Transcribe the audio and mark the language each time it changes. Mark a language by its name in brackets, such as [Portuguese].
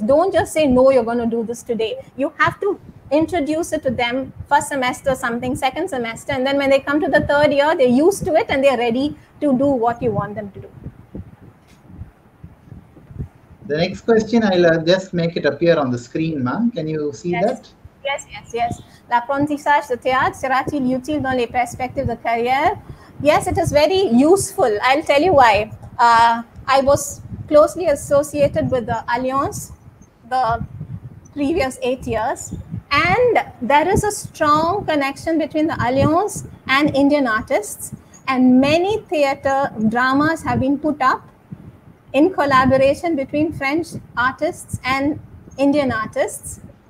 [English] Don't just say, no, you're going to do this today. You have to introduce it to them first semester something, second semester, and then when they come to the 3rd year, they're used to it and they're ready to do what you want them to do. The next question, I'll just make it appear on the screen, ma'am. Can you see that? Yes, yes, yes. [French] L'apprentissage de théâtre sera-t-il utile dans les perspectives de carrière? [English] Yes, it is very useful. I'll tell you why. I was closely associated with the Alliance the previous 8 years. And there is a strong connection between the Alliance and Indian artists. And many theatre dramas have been put up in collaboration between French artists and Indian artists.